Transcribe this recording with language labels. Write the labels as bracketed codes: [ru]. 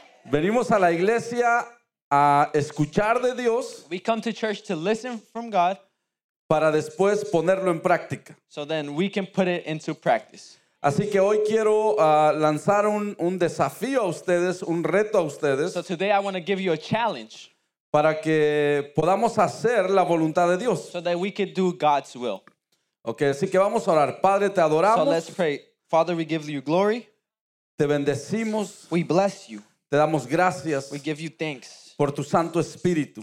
[es] Venimos a la iglesia a escuchar de Dios. [en] We come to church to listen from God. [es] Para después ponerlo en práctica. [en] So then we can put it into practice. [es] Así que hoy quiero lanzar un desafío a ustedes, un reto a ustedes. [en] So today I want to give you a challenge. [es] Para que podamos hacer la voluntad de Dios. [en] So that we can do God's will. [es] Okay, así que vamos a orar. Padre, te adoramos. [en] So let's pray. Father, we give you glory. [es] Te bendecimos. [en] We bless you. [es] Te damos gracias. [en] We give you thanks. [es] Por tu Santo Espíritu.